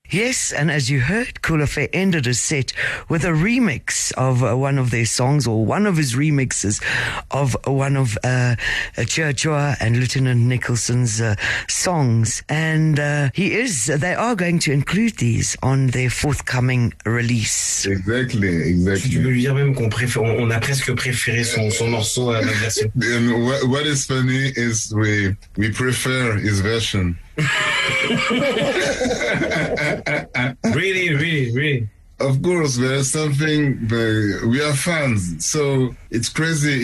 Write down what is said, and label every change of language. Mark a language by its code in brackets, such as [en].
[en] Yes, and as you heard, Cool Affair ended a set with a remix of one of their songs, or one of his remixes of one of DjeuhDjoah and Lieutenant Nicholson's songs. And they are going to include these on their forthcoming release. Exactly. [fr] Tu veux dire même qu'on préfère, on a presque préféré son morceau à la version. [en] What is funny is we prefer his version. really. Of course, there's something, but we are fans, so it's crazy.